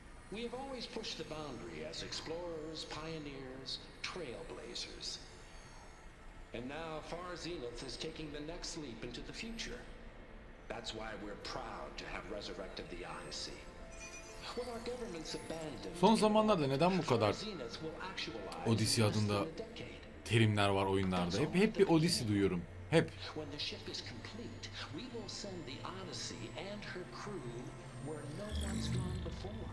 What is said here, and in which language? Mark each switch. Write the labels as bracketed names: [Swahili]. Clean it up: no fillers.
[English] We have always pushed the boundary as explorers, pioneers, trailblazers. And now Far Zenith is taking the next leap into the future. That's why we're proud to have resurrected the Odyssey. When our governments abandoned... [Turkish] Son zamanlarda neden bu kadar Odyssey adında terimler var oyunlarda? Hep bir Odyssey duyuyorum. Hep. [English] When the ship is complete, we will send the Odyssey and her crew where no one's gone before.